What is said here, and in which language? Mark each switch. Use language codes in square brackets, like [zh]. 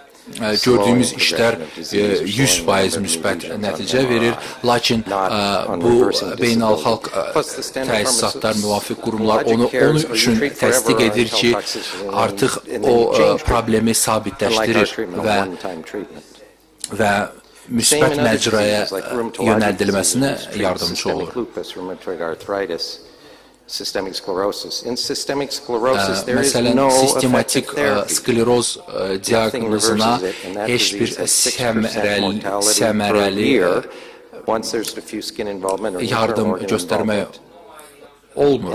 [az] Gördüyümüz işlər 100% müsbət nəticə verir, lakin bu beynəlxalq təsisatlar, müvafiq qurumlar onu üçün təsdiq edir ki, artıq o problemi sabitləşdirir və müsbət məcraya yönəldilməsinə yardımcı olur. [en] Systemic sclerosis. In systemic sclerosis, there is no effective therapy. [az] Məsələn, sistematik skleroz diaqnozuna heç bir səmərəli yardım göstərmək olmur.